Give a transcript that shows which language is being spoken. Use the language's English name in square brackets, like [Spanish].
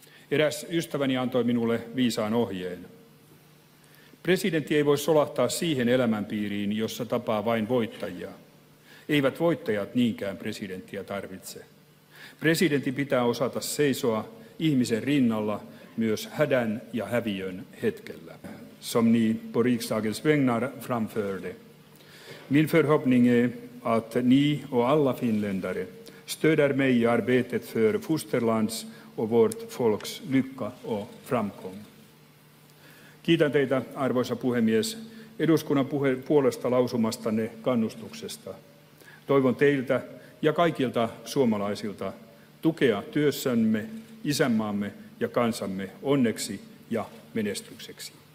[Finnish] Eräs ystäväni antoi minulle viisaan ohjeen. Presidentti ei voi solahtaa siihen elämänpiiriin, jossa tapaa vain voittajia. Eivät voittajat niinkään presidenttiä tarvitse. Presidentin pitää osata seisoa ihmisen rinnalla myös hädän ja häviön hetkellä. [Swedish] Som ni på riksdagens vägnar framförde. Min förhoppning är att ni och alla finländare stöder mig i arbetet för fosterlands och vårt folks lycka och framgång. [Finnish] Kiitän teitä, arvoisa puhemies, eduskunnan puolesta lausumastanne kannustuksesta. Toivon teiltä ja kaikilta suomalaisilta tukea työssämme, isänmaamme ja kansamme onneksi ja menestykseksi.